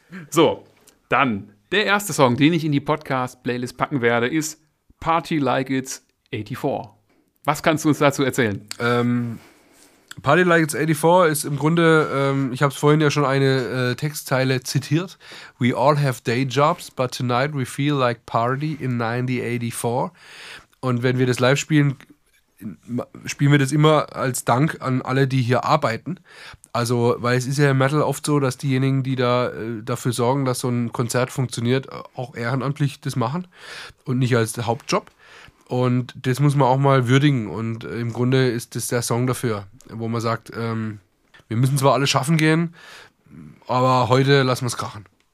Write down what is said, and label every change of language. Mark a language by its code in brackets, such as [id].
[de] So, dann der erste Song, den ich in die Podcast-Playlist packen werde, ist Party Like It's 84. Was kannst du uns dazu erzählen? Party Like It's 84 ist im Grunde, ich habe es vorhin ja schon eine Textzeile zitiert. [en] We all have day jobs, but tonight we feel like party in 1984. [de] Und wenn wir das live spielen, spielen wir das immer als Dank an alle, die hier arbeiten. Also, weil es ist ja im Metal oft so, dass diejenigen, die da dafür sorgen, dass so ein Konzert funktioniert, auch ehrenamtlich das machen und nicht als Hauptjob. Und das muss man auch mal würdigen und im Grunde ist das der Song dafür, wo man sagt, wir müssen zwar alle schaffen gehen, aber heute lassen wir es krachen.